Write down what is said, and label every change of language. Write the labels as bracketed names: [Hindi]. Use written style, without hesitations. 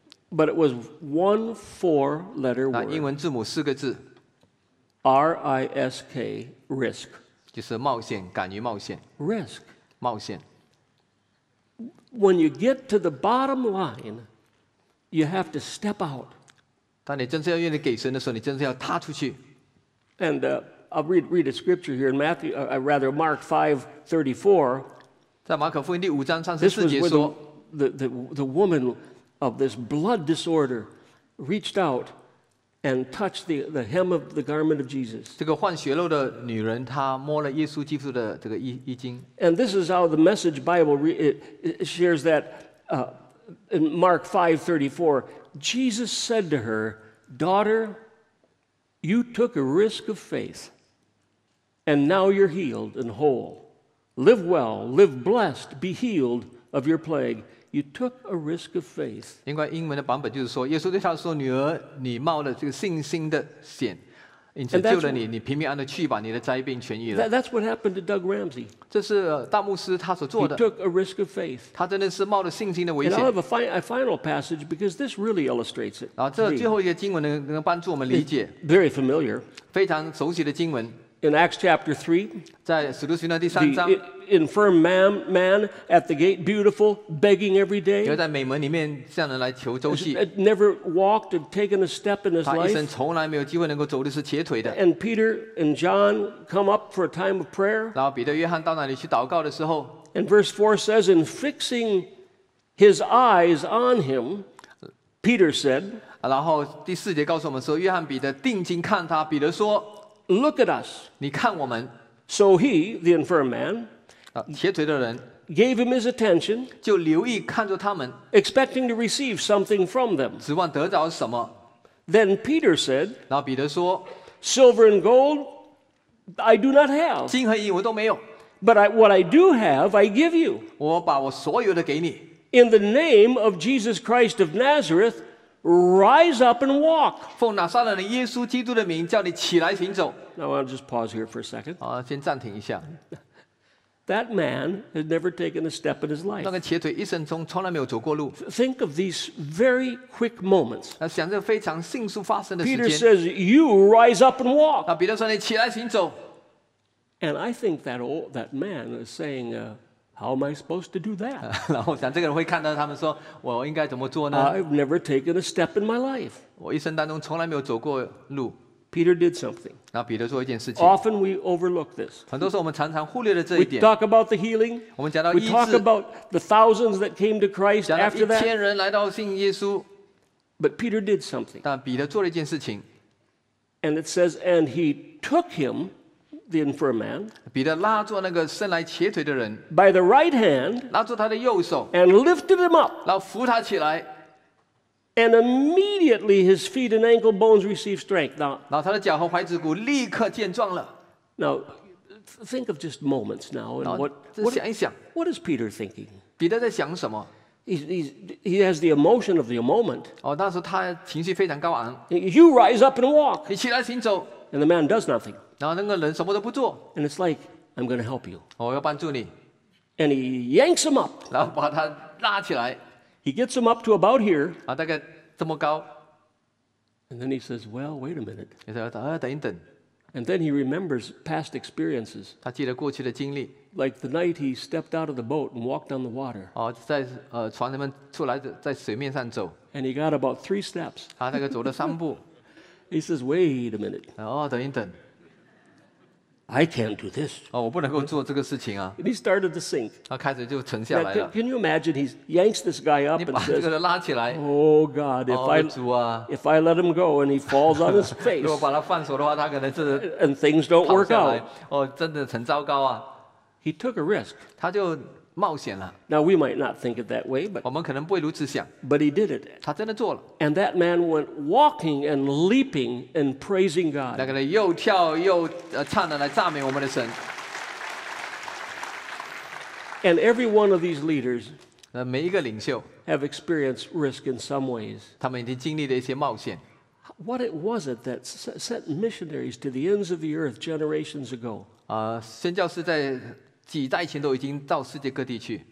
[English] ？But it was one four-letter word. [Chinese] 英文字母四个字 [English] ，R-I-S-K, risk. [Chinese] 就是冒险，敢于冒险。 [English] Risk, [Chinese] 冒险。 [English] When you get to the bottom line, you have to step out. [Chinese] 当你真正要愿意给神的时候，你真正要踏出去。 [English] And I'll read a scripture here in Matthew, Mark 5:34. [Chinese] 在马可福音第五章三十四节说 [English] ，This was where the woman of this blood disorder reached out and touched the hem of the garment of Jesus. [Chinese] 这个患血漏的女人，她摸了耶稣基督的这个衣襟。 [English] And this is how the Message Bible it shares that in Mark 5:34, Jesus said to her, "Daughter." You took a risk of faith, and now you're healed and whole. Live well, live blessed, be healed of your plague. You took a risk of faith. [Chinese] 因为英文的版本就是说，耶稣对他说：“女儿，你冒了这个信心的险，因此救了你，你平平安的去吧，你的灾病痊愈了。” [English] That's what happened to Doug Ramsey. [Chinese] 这是大牧师他所做的。 [English] He took a risk of faith. [Chinese] 他真的是冒了信心的危险。 [English] And I have a final passage because this really illustrates it. [Chinese] 这最后一个经文能帮助我们理解。 [English] Very familiar. [Chinese] 非常熟悉的经文。 [English] In Acts chapter 3, [Chinese] 在使徒行传第三章。 [English] The infirm man at the gate, beautiful, begging every day. [Chinese] 有在美门里面向人来求周济。 [English] Never walked or taken a step in his life. [Chinese] 他一生从来没有机会能够走的是瘸腿的。 [English] And Peter and John come up for a time of prayer. [Chinese] 然后彼得、约翰到那里去祷告的时候。 [English] And verse 4 says, in fixing his eyes on him, Peter said, [Chinese] 然后第四节告诉我们说，约翰彼得定睛看他，彼得说， [English] Look at us. [Chinese] 你看我们。 [English] So he, the infirm man, [Chinese] 瘸腿的人， [English] gave him his attention, [Chinese] 就留意看着他们， [English] expecting to receive something from them. [Chinese] 指望得着什么。 [English] Then Peter said, [Chinese] 然后彼得说， [English] Silver and gold, I do not have. [Chinese] 金和银我都没有。 [English] But what I do have, I give you. [Chinese] 我把我所有的给你。 [English] In the name of Jesus Christ of Nazareth, rise up and walk. [Chinese] 奉拿撒勒的耶稣基督的名叫你起来行走。 [English] Now I'll just pause here for a second. [Chinese] 先暂停一下。 [English] That man had never taken a step in his life. [Chinese] 那个瘸腿一生中从来没有走过路。 [English] Think of these very quick moments. [Chinese] 想着非常迅速发生的时间。 [English] Peter says, you rise up and walk. [Chinese] 彼得说你起来行走。 [English] And I think that man is saying, how am I supposed to do that? [Chinese] 然后我想这个人会看到他们说，我应该怎么做呢？ [English] I've never taken a step in my life. [Chinese] 我一生当中从来没有走过路。 [English] Peter did something. [Chinese] 然后彼得做一件事情。 [English] Often we overlook this. [Chinese] 很多时候我们常常忽略了这一点。 [English] We talk about the healing. [Chinese] 我们讲到医治。 [English] We talk about the thousands that came to Christ after that. [Chinese] 讲到一千人来到信耶稣。 [English] But Peter did something. [Chinese] 但彼得做了一件事情。 [English] And it says, and he took him. The infirm man, [Chinese] 彼得拉住那个生来瘸腿的人 [English] by the right hand, [Chinese] 拉住他的右手 [English] and lifted him up, [Chinese] 然后扶他起来 [English] and immediately his feet and ankle bones received strength. Now, [Chinese] 然后他的脚和踝子骨立刻健壮了 [English] Now, think of just moments now. And what [Chinese] 想一想 [English] what is Peter thinking? [Chinese] 彼得在想什么 [English] He has the emotion of the moment. [Chinese] 当时他情绪非常高昂 [English] You rise up and walk. [Chinese] 你起来行走 [English] and the man does nothing. [Chinese] 然后那个人什么都不做。 [English] And it's like, I'm going to help you. [Chinese] 我要帮助你。 [English] And he yanks him up. [Chinese] 然后把他拉起来。 [English] He gets him up to about here. [Chinese] 大概这么高。 [English] And then he says, well, wait a minute. [Chinese] 他说，等一等。 [English] And then he remembers past experiences. [Chinese] 他记得过去的经历。 [English] Like the night he stepped out of the boat and walked on the water. [Chinese] 在船里面出来，在水面上走。 [English] And he got about three steps. [Chinese] 大概走了三步。 [English] He says, wait a minute. [Chinese] 等一等。 [English] I can't do this. [Chinese] 我不能够做这个事情啊。 [English] And he started to sink. [Chinese] 他开始就沉下来了。 [English] Can you imagine? He yanks this guy up and says, [Chinese] 你把这个人拉起来。 [English] Oh God, if I let him go and he falls on his face. [Chinese] 如果把他放手的话，他可能是。 [English] And things don't work out. [Chinese] 真的很糟糕啊。 [English] He took a risk. [Chinese] 他就冒险了。 [English] Now we might not think it that way, but. [Chinese] 我们可能不会如此想。 [English] But he did it. [Chinese] 他真的做了。 [English] And that man went walking and leaping and praising God. [Chinese] 那个人又跳又唱的来赞美我们的神。 [English] And every one of these leaders. [Chinese] 每一个领袖。 [English] Have experienced risk in some ways. [Chinese] 他们已经经历了一些冒险。 [English] What it was it that sent missionaries to the ends of the earth generations ago? [Chinese] 宣教士在。几代前都已经到世界各地去。